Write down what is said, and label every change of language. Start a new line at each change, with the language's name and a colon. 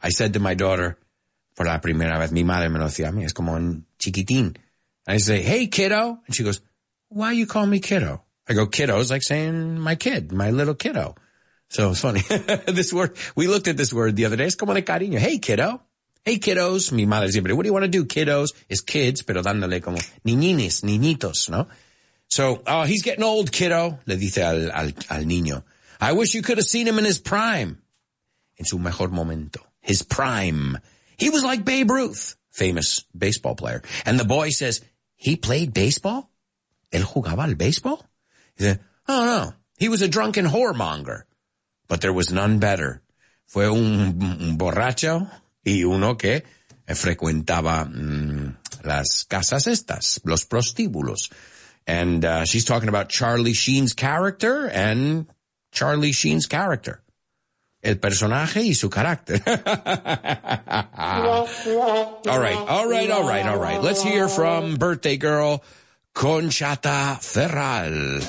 English: I said to my daughter,
Spanish: por la primera vez, mi madre me lo decía a mí, es como un chiquitín.
English: And I say, hey, kiddo. And she goes, why you call me kiddo? I go, kiddo is like saying my kid, my little kiddo. So it's funny. This word, we looked at this word the other day.
Spanish: Es como de cariño.
English: Hey, kiddo. Hey, kiddos.
Spanish: Mi madre siempre,
English: what do you want to do? Kiddos is kids,
Spanish: pero dándole como niñines, niñitos, ¿no?
English: So, he's getting old, kiddo,
Spanish: le dice al niño.
English: I wish you could have seen him in his prime.
Spanish: En su mejor momento.
English: His prime. He was like Babe Ruth, famous baseball player. And the boy says, he played baseball?
Spanish: ¿Él jugaba al béisbol?
English: He said, oh, no. He was a drunken whoremonger. But there was none better.
Spanish: Fue un borracho y uno que frecuentaba las casas estas, los prostíbulos.
English: And she's talking about Charlie Sheen's character and Charlie Sheen's character.
Spanish: El personaje y su carácter.
English: All right. Let's hear from birthday girl Conchata Ferral.